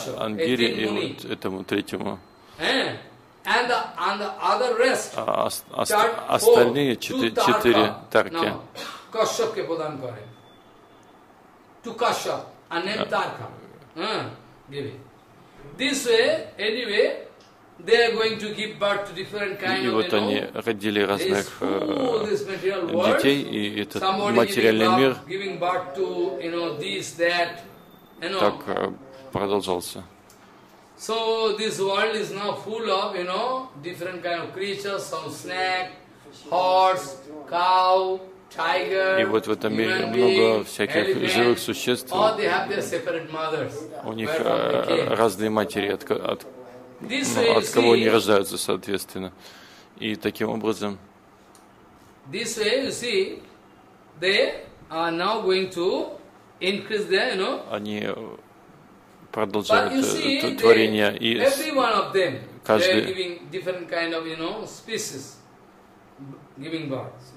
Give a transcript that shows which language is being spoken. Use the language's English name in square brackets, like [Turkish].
[Russian] Ангири и вот этому третьему. Остальные четыре тарки. [English] They are going to give birth to different kind of. [Russian] И вот они родили разных детей, и этот материальный мир так продолжался. [English] So this world is now full of, you know, different kind of creatures, some snake, horse, cow, tiger. [Russian] И вот в этом мире много всяких живых существ. [English] All they have their separate mothers. [Russian] У них разные матери от. Ну, от кого они рождаются, соответственно. И таким образом. [English] This way, you see, they are now going to increase their, you know. [Russian] Они продолжают творение и [English] every one of them, [Russian] каждый. [English] They are giving different kind of, you know, species, giving birth.